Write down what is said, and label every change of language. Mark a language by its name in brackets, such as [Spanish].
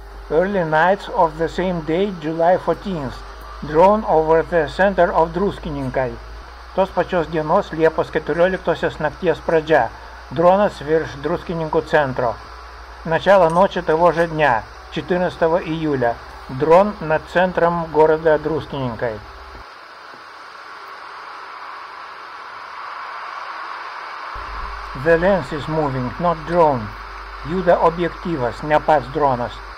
[English] Early nights of the same day, July 14th, drone over the center of Druskininkai. [Lithuanian] Tos pačios dienos, Liepos 14 nakties pradžia, dronas virš Druskininkų centro. [Russian] Начало ночи того же дня, 14 июля, дрон над центром города Друскининкой. [English] The lens is moving, not drone. [Lithuanian] Juda objektyvas, ne pats dronas.